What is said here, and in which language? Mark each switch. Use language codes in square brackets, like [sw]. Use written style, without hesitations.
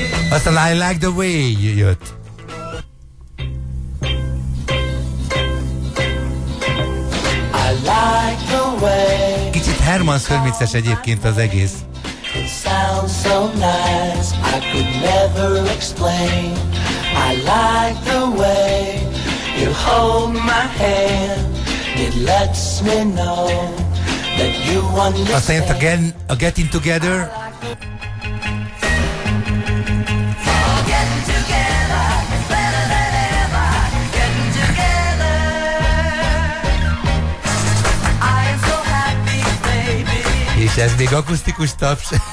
[hu] Aztán I Like The Way jött. [en] I like the way [hu] Herman Szörmices egyébként az egész. [en] It sounds so nice, I could never explain. I like the way you hold my hand. It lets me know that you understand. [hu] Aztán jött a Getting Together. És ez még akusztikus taps.